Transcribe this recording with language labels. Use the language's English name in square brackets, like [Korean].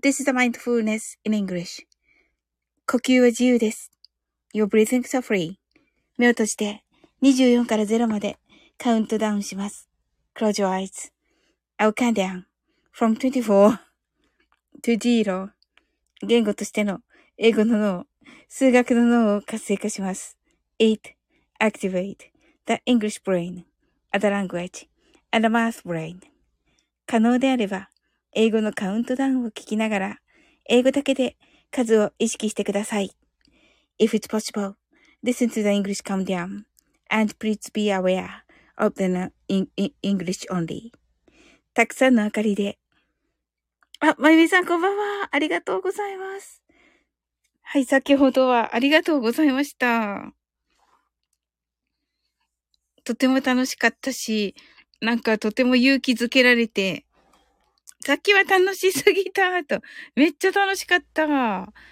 [English] This is a mindfulness in English. [Japanese] 呼吸は自由です。 [English] Your breathings are free. [Japanese] 目を閉じて24から0までカウントダウンします。 [English] Close your eyes. I'll count down from 24 to 0. [Japanese] 言語としての英語の脳、数学の脳を活性化します。 [English] 8. Activate the English brain. Other language, and a math brain. [Japanese] 可能であれば、英語のカウントダウンを聞きながら、英語だけで数を意識してください。 [English] If it's possible, listen to the English countdown, and please be aware of the English only. [Japanese] たくさんの明かりで。あ、まゆみさん、こんばんは。ありがとうございます。はい、先ほどはありがとうございました。とても楽しかったし、なんかとても勇気づけられて、さっきは楽しすぎたと、めっちゃ楽しかった。